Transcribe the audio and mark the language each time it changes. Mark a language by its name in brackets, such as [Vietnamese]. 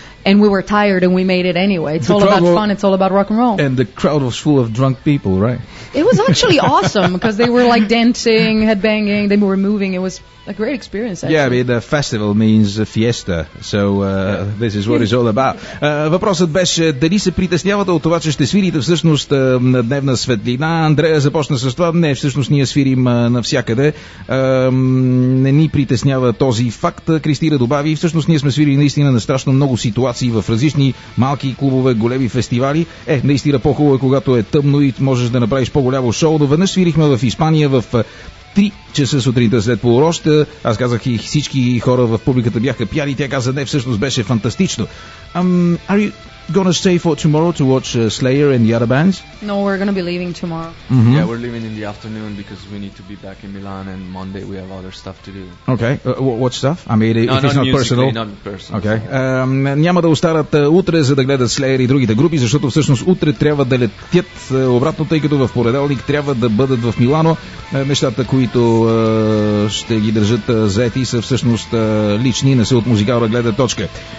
[English] And we were tired, and we made it anyway. It's all about fun. It's all about rock and roll. And the crowd was full of drunk people, right? It was actually awesome because they were like dancing, headbanging. They were moving. It was a great experience, actually. Yeah, I mean, the festival means a fiesta, so this is what it's all about. [Bulgarian] Въпросът беше, дали се притеснявате от това, че ще свирите всъщност на дневна светлина? Андрея започна с това. Не, всъщност ние свирим навсякъде. Не ни притеснява този факт. Кристина добави, всъщност ние сме свирили наистина на страшно много ситуации в различни малки клубове, големи фестивали. Е, наистина по-хубаво е, когато е тъмно и можеш да направиш по-голямо шоу. Но веднъж свирихме в Испания в 3 часа сутринта след полурощ. Аз казах и всички хора в публиката бяха пияни. Тя каза, не, всъщност беше фантастично. [English] Are you gonna stay for tomorrow to watch Slayer and the other bands? No, we're gonna be leaving tomorrow. Mm-hmm. Yeah, we're leaving in the afternoon because we need to be back in Milan and Monday we have other stuff to do. Okay, what stuff? I mean, no, if it's not personal. Not personal. Okay. [Bulgarian] Няма да остарат утре, за да гледат Slayer и другите групи, защото всъщност утре трябва да летят обратно, тъй като в понеделник трябва да бъдат в Милано. Нещата, които ще ги държат заети, са всъщност лични, не са от музикална гледна точка.